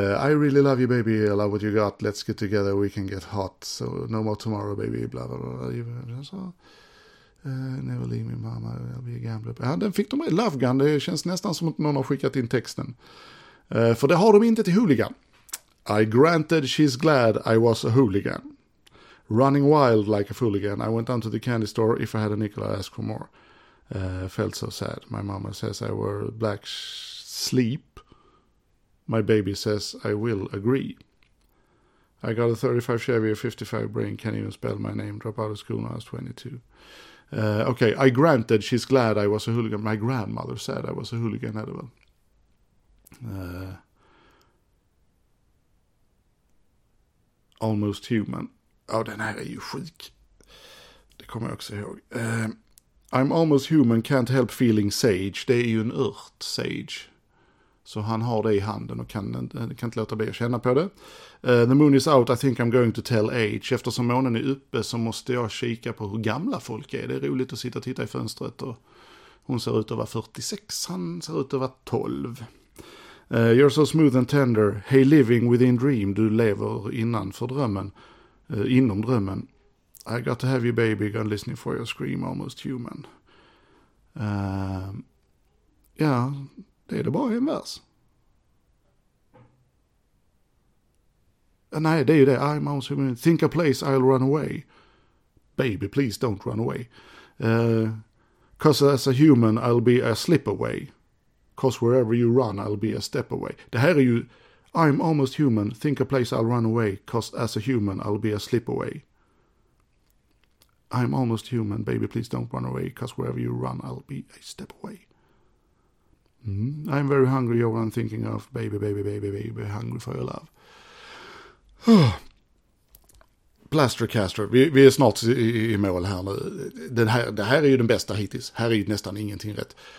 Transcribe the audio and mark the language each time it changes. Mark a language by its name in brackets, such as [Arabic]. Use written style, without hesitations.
[English] I really love you baby, I love what you got, let's get together, we can get hot, so no more tomorrow baby, bla bla bla. Never leave me mama, I'll be a gambler. [Swedish] Ja, den fick de med Love Gun, det känns nästan som att någon har skickat in texten. För det har de inte till Hooligan. [English] I granted she's glad I was a hooligan. Running wild like a hooligan, I went down to the candy store, if I had a nickel I'd ask for more. Felt so sad. My mama says I wear black sleep. My baby says I will agree. I got a 35 Chevy, a 55 brain, can't even spell my name, drop out of school when I was 22. Okay, I granted she's glad I was a hooligan. My grandmother said I was a hooligan edible. Almost human. [Swedish] Oh, den här är ju sjuk. Det kommer jag också ihåg. [English] I'm almost human, can't help feeling sage. [Swedish] Det är ju en ört, sage. Så han har det i handen och kan inte låta bli att känna på det. [English] The moon is out, I think I'm going to tell age. [Swedish] Eftersom månen är uppe så måste jag kika på hur gamla folk är. Det är roligt att sitta och titta i fönstret. Och hon ser ut att vara 46, han ser ut att vara 12. [English] You're so smooth and tender. Hey, living within dream. [Swedish] Du lever innanför drömmen, inom drömmen. [English] I got to have you baby, gun listening for your scream, almost human. [Swedish] Ja, det är det bara en vers. Nej, det är ju det. [English] I'm almost human. Think a place, I'll run away. Baby, please don't run away. Cause as a human, I'll be a slip away. Cause wherever you run, I'll be a step away. [Swedish] Det här är ju, [English] I'm almost human, think a place, I'll run away. Cause as a human, I'll be a slip away. I'm almost human, baby, please don't run away, cause wherever you run, I'll be a step away. I'm very hungry, you're one thinking of, baby, hungry for your love. [Swedish] Plastercaster, vi är snart i mål här nu. Det här är ju den bästa hittills, här är ju nästan ingenting rätt.